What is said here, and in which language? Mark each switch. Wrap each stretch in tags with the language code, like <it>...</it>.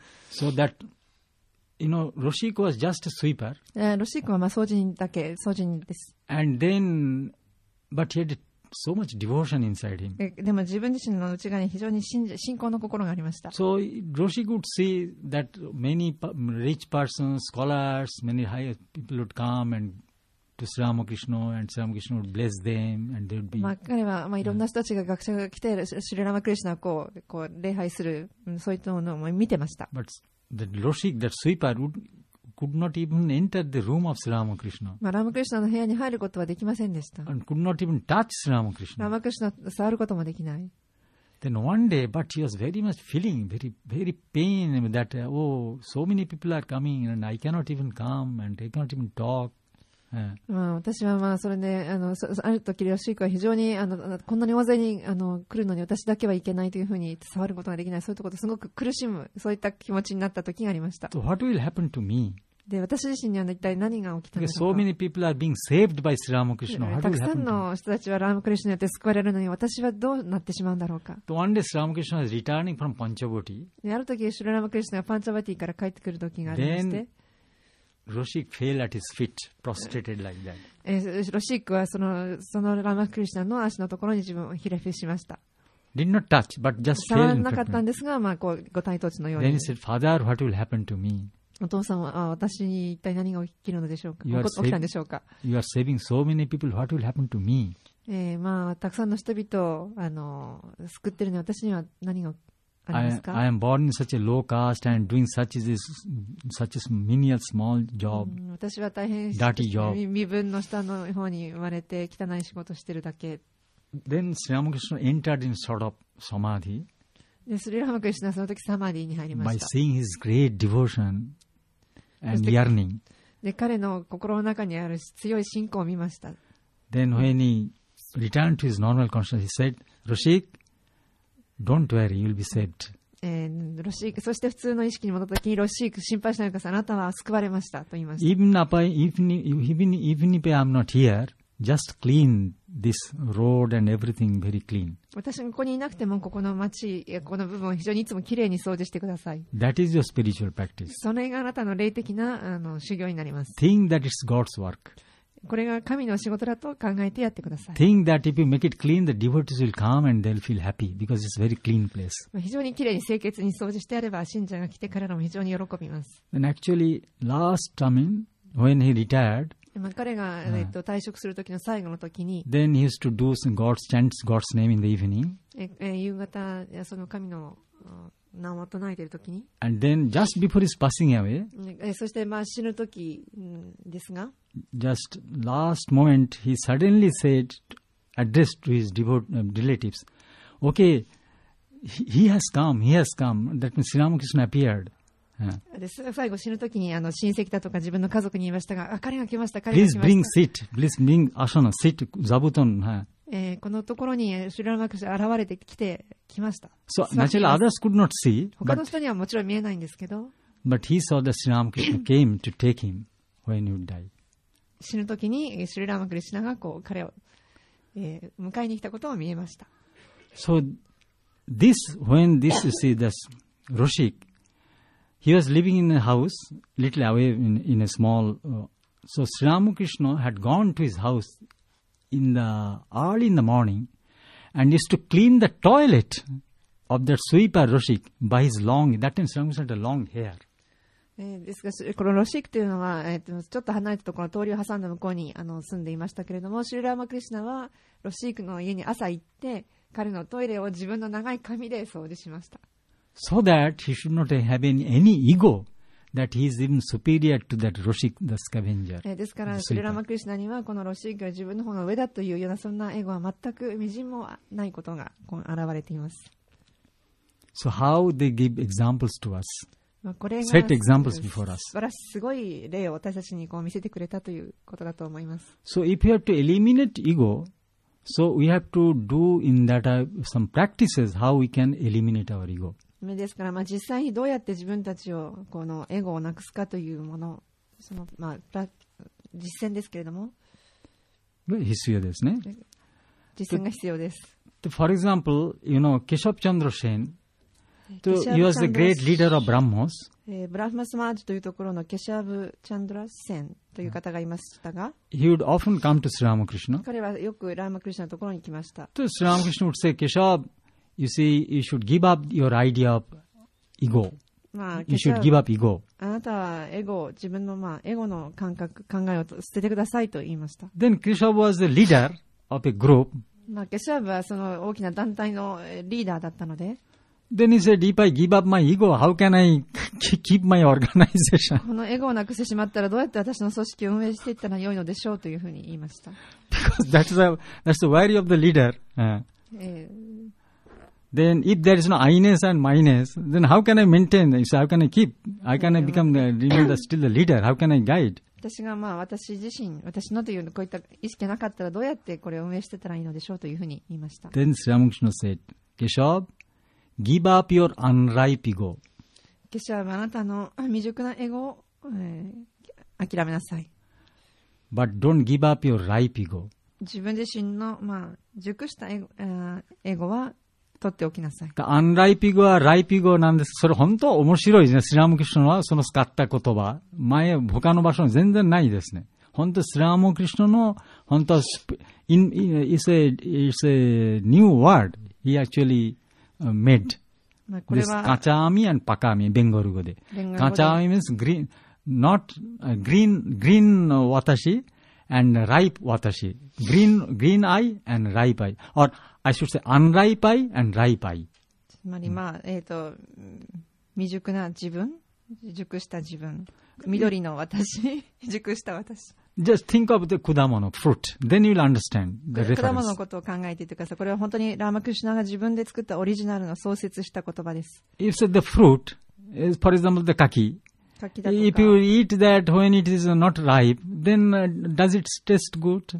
<en>So that, you know, Roshik was just a sweeper.</en> <ja>Roshik はまあ掃除人だけ、掃除人です。</ja> <en>And then, but he had so much devotion inside him.</en> <ja>でも自分自身の内側に非常に信仰の心がありました。</ja> <en>So Roshik would see that many rich persons, scholars, many high people would come and to Sri Ramakrishna and Sri Ramakrishna would bless them and they would be.</en> <ja>まあ彼はまあいろんな人たちが学者が来てシリラマクリシナをこう礼拝する、そういったものを見てました。</ja> <en>But the Roshik, that sweeper, could not even enter the room of Sri Ramakrishna.</en> <ja>まあ、ラマクリシナの部屋に入ることはできませんでした。</ja> <en>And could not even touch Sri Ramakrishna.</en> <ja>ラマクリシナを触ることもできない。</ja> <en>Then one day, but he was very much feeling very, very pain that, oh, so many people are coming and I cannot even come and I cannot even talk.</en> <ja>まあ、私はまあそれで、ある時ロシークは非常にこんなに大勢に来るのに私だけはいけないというふうに触ることができない、そういうことすごく苦しむ、そういった気持ちになった時がありました。</ja> <en>So、what will happen to me?</en> <ja>で私自身には一体何が起きたのか。</ja> <en>So many people are being saved by Sri Ramakrishna.</en> <ja>たくさんの人たちはラムクリシュによって救われるのに私はどうなってしまうんだろうか。</ja> <en>So、one day Sri Ramakrishna is returning from Panchavati.</en> <ja>である時シュララムクリシュがパンチャバティから帰ってくる時がありまして。</ja> <en>Then,Roshik fell at his feet, prostrated like that.</en> <ja>Roshik はそのラマクリシナの足のところに自分をひれ伏しました。</ja> <en>Did not touch, but just fell.</en> <ja>触らなかったんですが、まあこうご体統治のように。</ja> <en>Then he said, "Father, what will happen to me?"</en> <ja>お父さんは私に一体何が起きるのでしょうか。起きたんでしょうか。</ja> <en>You are saving so many people. What will happen to me?</en> <ja>まあたくさんの人々を救ってるのに私には何が。</ja> <en>I am born in such a low caste and doing such a menial small job.</en> <ja>私は大変</ja> <en>dirty job.</en> <ja>身分の下の方に生まれて汚い仕事してるだけ。</ja> <en>Then Sri Ramakrishna entered in sort of samadhi.</en> <ja>で、スリラマクリシナはその時サマーディに入りました。</ja> <en>By seeing his great devotion and yearning.</en> <ja>で、彼の心の中にある強い信仰を見ました。</ja> <en>Then when he returned to his normal consciousness, he said, "Roshik,Don't worry, you'll be saved."</en> <ja>ロシーク、そして普通の意識に戻った時にロシーク、心配しないでください。あなたは救われましたと言いました。</ja> <en>Even if I am not here, just clean this road and everything very clean.</en> <ja>私がここにいなくても、ここの町、この部分を非常にいつもきれいに掃除してください。</ja> <en>That is your spiritual practice.</en> <ja>その辺があなたの霊的な修行になります。</ja> <en>Think that it's God's work.</en> <ja>これが神の仕事だと考えてやってください。</ja> <en>Think that if you make it clean, the devotees will come and they'll feel happy because it's a very clean place.</en> <ja>非常にきれいに清潔に掃除してあれば、信者が来てからも非常に喜びます。</ja> <en>And actually, last time, when he retired,</en> <ja>彼が退職する時の最後の時に、</ja> <en>then he used to do some God's chants, God's name in the evening.</en> <ja>夕方、その神の名を唱えている時に、</ja> <en>and then just before his passing away,</en> <ja>そしてまあ死ぬ時ですが、</ja> <en>Just last moment, he suddenly said, addressed to his relatives, "Okay, he has come. That means Sri Ramakrishna appeared."</en> <ja>です。最後死ぬときに親戚だとか自分の家族に言いましたが、あ、彼が来ました。</ja> <en>Please bring seat. Please bring asana. Sit. Zabuton.</en> <ja>このところにシュラマクシ現れてきて来ました。</ja> <en>So naturally, others could not see.</en> <ja>他の人にはもちろん見えないんですけど。</ja> <en>But he saw that Sri Ramakrishna came to take him when he would die.</en> <ja>死ぬ時にシリラマクリシナがこう彼を迎えに来たことを見えました。</ja> <en>So this when this you see this Roshik, he was living in a house little away in a small. So Sri Ramakrishna had gone to his house in the early in the morning, and is to clean the toilet of the sweeper Roshik by his long, that means Swami said, a long hair.</en> <ja>ですが、このロシックというのは、ちょっと離れたところ、通りを挟んだ向こうに住んでいましたけれども、シュラーマクリシュナはロシックの家に朝行って、彼のトイレを自分の長い髪で掃除しました。</ja> <en>So that he should not have any ego that he is even superior to that Roshik, the scavenger.</en> <ja>ですから、シュラーマクリシュナにはこのロシックは自分の方が上だというような、そんなエゴは全くみじんもないことが現れています。</ja> <en>So how they give examples to us?</en> <ja>まあ、これが</ja> <en>Set examples before us.</en> <ja>素晴らしいすごい例を私たちにこう見せてくれたということだと思います。</ja> <en>So if you have to eliminate ego, so we have to do in that some practices how we can eliminate our ego.</en> <ja>ですから、まあ、実際にどうやって自分たちをこのエゴをなくすかというもの、その、まあ、実践ですけれども。必要ですね。実践が必要です。</ja> <en>For example, you know, Keshav Chandra Sen,So, he was the great leader of Brahmos.</en> <ja>Brahma Samaj というところのケシャブ・チャンドラ・センという方がいましたが、</ja> <en>He would often come to Sri Ramakrishna.</en> <ja>彼はよくラーマクリシナのところに来ました。</ja> <en>So, Sri Ramakrishna would say, Keshav, you see, you should give up your idea of ego. You should give up ego.</en> <ja>あなたはエゴ、自分のまあエゴの感覚、考えを捨ててくださいと言いました。</ja> <en>Then, Keshav was the leader of a group.</en> <ja>まあ、ケシャブはその大きな団体のリーダーだったので、</ja> <en>Then he said, if I give up my ego, how can I keep my organization?</en> <ja>このエゴをなくしてしまったらどうやって私の組織を運営していったら良いのでしょうというふうに言いました。</ja> <en>Because that's the worry of the leader. Then if there is no I-ness and my-ness, then how can I maintain? He said, how can I keep? How can I become still the leader? How can I guide?</en> <ja>私がまあ私自身、私のというこういった意識がなかったらどうやってこれを運営していったら良いのでしょうというふうに言いました。</ja> <en>Then Sri Ramakrishna said, Keshav,Give up your unripe ego.</en> <ja>ケシャブ、あなたの未熟なエゴを、諦めなさい。</ja> <en>But don't give up your ripe ego.</en> <ja>自分自身の、まあ、熟したエゴは取っておきなさい。</ja> <en>The unripe ego は ripe ego</en> <ja>なんです。それ本当面白いですね。スラムクリシナはその使った言葉。前、他の場所に全然ないですね。本当、スラムクリシナの本当は</ja> <en>it's a new word. He actually,made this kachami and pakami Bengali word. Kachami means green, not green watashi and ripe watashi. Green eye and ripe eye, or I should say unripe eye and ripe eye.</en> <ja>つまりまあ未熟な自分、熟した自分、緑の私、熟した私。</ja> <en>Just think of the kudamono, fruit. Then you'll understand the reference.</en> <ja>果物のことを考えていてください。これは本当にラーマクリシュナが自分で作ったオリジナルの創設した言葉です。</ja> <en>If the fruit is, for example, the kaki. If you eat that when it is not ripe, then does it taste good?</en>